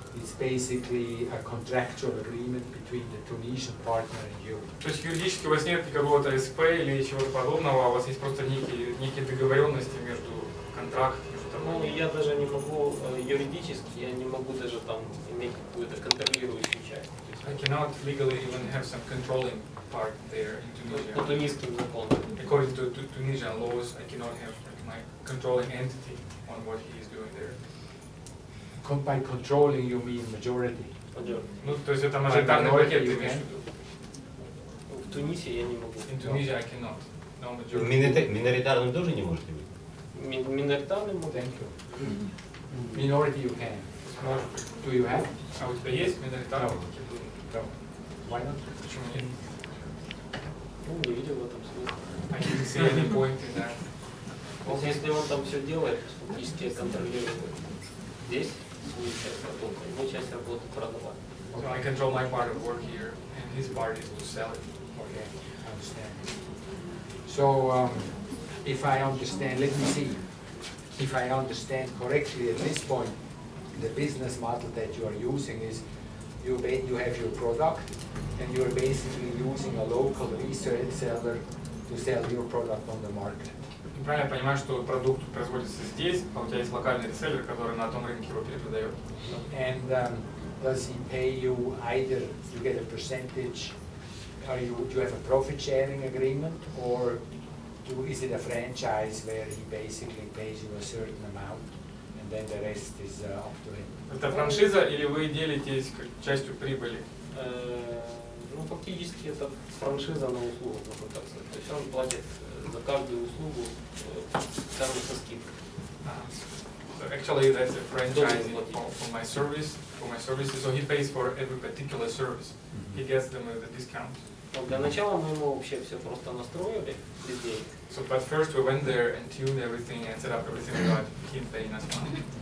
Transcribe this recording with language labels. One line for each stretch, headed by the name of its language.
English: It's basically a contractual agreement between the Tunisian partner and you.
Russian: То есть юридически у вас нет какого-то СП или чего-то подобного, а у вас есть просто некие договоренности между контрактом. Ну, я даже не могу юридически, я не могу даже там иметь какую-то контролирующую часть.
English: I cannot legally even have some controlling part there in Tunisia.
Russian: По тунисским законам.
English: According to Tunisian laws, I cannot have like, my controlling entity on what he is doing there. By controlling, you mean majority.
Russian: Ну, то есть это мажоритарный пакет, ты имеешь в виду? В Тунисе я не могу.
English: In Tunisia, I cannot. No majority.
Russian: Миноритарным тоже не можете быть? Миноритарным могу.
English: Thank you. Minority you can. Do you have?
Russian: А у тебя есть миноритарный пакет?
English: No. Why not?
Russian: Почему нет? Ну, не видел в этом смысле.
English: I didn't see any point in that.
Russian: Вот если он там все делает, фактически контролирует. Здесь свою часть работы, его часть работы продавать.
English: So I control my part of work here, and his part is to sell it. Okay, I understand. So, if I understand, let me see, if I understand correctly at this point, the business model that you are using is, you have your product, and you are basically using a local reseller to sell your product on the market.
Russian: Правильно понимаю, что продукт производится здесь, а у тебя есть локальный реселлер, который на том рынке его перепродает.
English: And does he pay you either, you get a percentage, or do you have a profit sharing agreement, or is it a franchise where he basically pays you a certain amount, and then the rest is up to him?
Russian: Это франшиза, или вы делитесь частью прибыли? Ну, фактически это франшиза на услугу, так сказать. То есть он платит за каждую услугу, даже со скидкой.
English: Actually, that's a franchise for my service, for my services. So he pays for every particular service. Mm-hmm. He gets them the discount.
Russian: Но для начала мы ему вообще все просто настроили людей.
English: So, but first we went there and tuned everything and set up everything, but he paying us money.